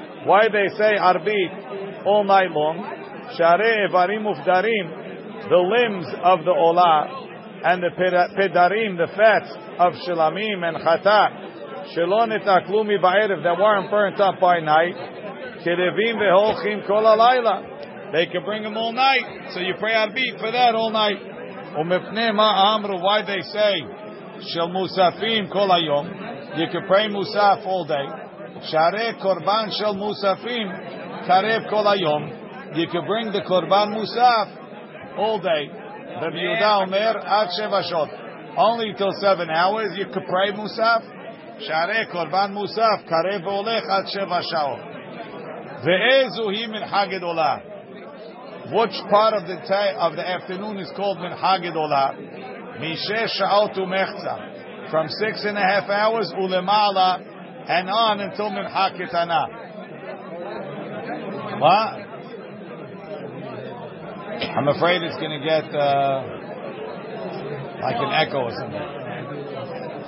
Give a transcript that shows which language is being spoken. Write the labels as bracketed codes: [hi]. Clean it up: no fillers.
[en] Why they say ערבית all night long? [he] שהרי איברים מופדרים, [en] the limbs of the עולה, and the פדרים, the fats of שלמים, and חטא, [he] שלא נתעכלו מבערב, [en] that weren't burnt up by night, [he] כרבים והולכים כל הלילה. [en] They can bring them all night, so you pray ערבית for that all night. [he] ומפני מה אמרו, [en] why they say, [he] של מוספים כל היום, [en] you can pray מוסף all day, [he] שערי קורבן של מוספים קרב כל היום, [en] you can bring the קורבן מוסף all day. [he] רבי יהודה אומר עד שבע שעות, [en] only till 7 hours you can pray מוסף, [he] שערי קורבן מוסף קרב והולך עד שבע שעות. ואיזו היא מנחה גדולה? [en] Which part of the afternoon is called מנחה גדולה? [he] משש שעות ומחצה, [en] from 6.5 hours [he] ולמעלה, [en] and on until [he] מנחה קטנה. [en] What? I'm afraid it's going to get like an echo or something.